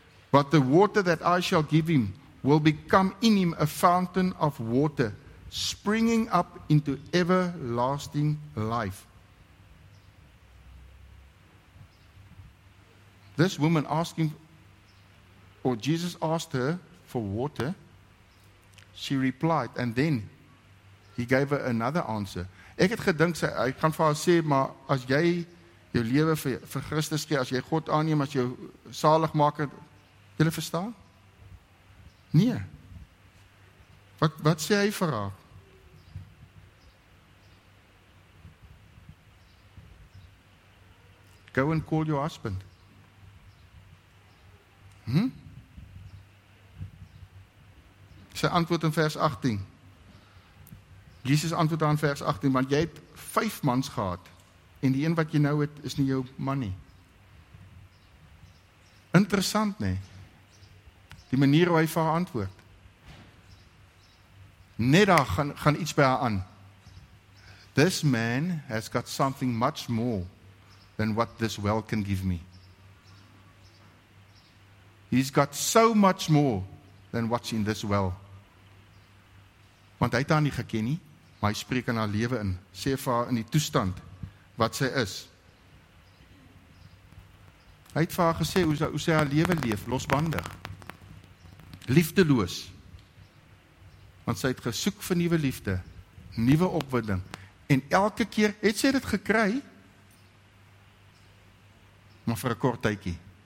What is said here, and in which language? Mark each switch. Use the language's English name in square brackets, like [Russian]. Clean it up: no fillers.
[English] But the water that I shall give him will become in him a fountain of water springing up into everlasting life. This woman asking, or Jesus asked her for water, she replied, and then he gave her another answer. [Afrikaans] Ek het gedink, hy gaan vir haar sê, maar as jy jou lewe vir Christus gee, as jy God aanneem, as jou saligmaker, julle verstaan? Nee. Wat sê hy vir haar? [English] Go and call your husband. [Afrikaans] Sy antwoord in vers 18. Jesus antwoord aan vers 18, want jy het 5 mans gehad en die een wat jy nou het is nie jou man nie. Interessant, nee. Die manier hoe hy vir haar antwoord. Net daar gaan iets by haar aan. [English] This man has got something much more than what this well can give me. He's got so much more than what's in this well. [Afrikaans] Want hy het haar nie geken nie, maar hy spreek in haar lewe in. Sê vir haar in die toestand wat sy is. Hy het vir haar gesê hoe sy haar lewe leef, losbandig. liefdeloos. Want sy het gesoek vir nuwe liefde, nuwe opwinding. En elke keer het sy dit gekry, maar vir 'n kort tydjie.